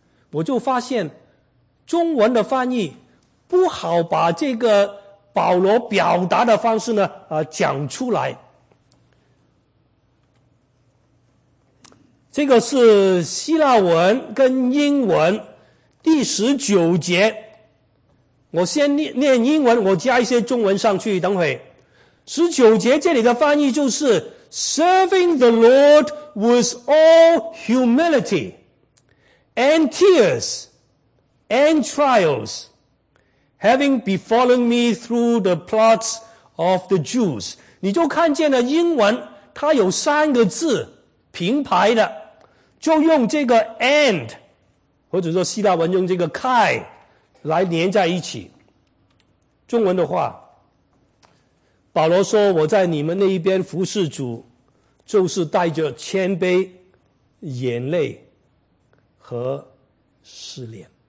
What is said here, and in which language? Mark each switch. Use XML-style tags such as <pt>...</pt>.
<zh>我就发现中文的翻译不好把这个保罗表达的方式呢讲出来。这个是希腊文跟英文第十九节，我先念英文，我加一些中文上去。等会十九节这里的翻译就是</zh> <en>Serving the Lord with all humility and tears and trials, having befallen me through the plots of the Jews.</en> <zh>你就看见了英文它有三个字平排的，就用这个 and 或者说希腊文用这个 kai 来连在一起。中文的话，保罗说，我在你们那一边服侍主，就是带着谦卑、眼泪和试炼。</zh>